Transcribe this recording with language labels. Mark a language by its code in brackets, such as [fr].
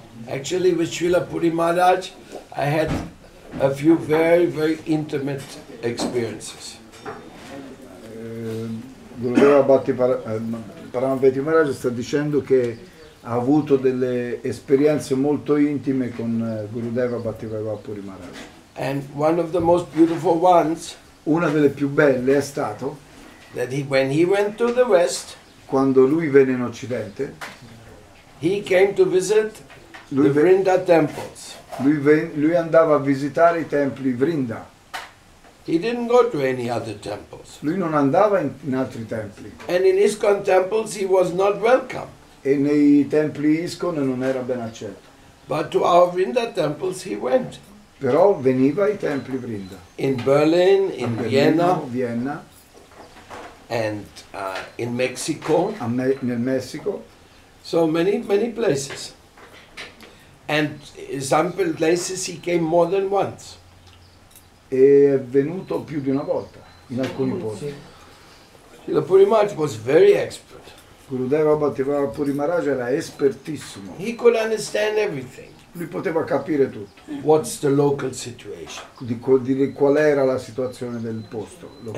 [en] Actually, with Srila Puri Maharaj, I had a few very, very intimate experiences. [it] Gurudeva Bhakti Paramadvaiti Maharaj sta dicendo che ha avuto delle esperienze molto intime con Gurudeva Bhakti Puri Maharaj. [en] And one of the most beautiful ones. [it] Una delle più belle è stato [en] that he, when he went to the West. [it] Quando lui venne in Occidente. [en] He came to visit. Lui, Vrinda temples. [it] Lui andava a visitare i templi Vrinda. [en] He didn't go to any other temples. [it] Lui non andava in altri templi. [en] And in ISKCON temples he was not welcome. [it] E nei templi ISKCON non era ben accetto. [en] But to our Vrinda temples he went. [it] Però veniva ai templi Vrinda. [en] In Berlin, in Vienna. [it] Vienna. [en] And in Mexico. [it] Nel Messico. [en] So many, many places. And some places he came more than once. [it] E è venuto più di una volta in alcuni posti. [en] Srila Puri Maharaj was very expert. [it] Gurudeva Bhakti Puri Maharaj era espertissimo. [en] He could understand everything. [it] Lui poteva capire tutto. [en] What's the local situation? [it] Di qual era la situazione del posto locale.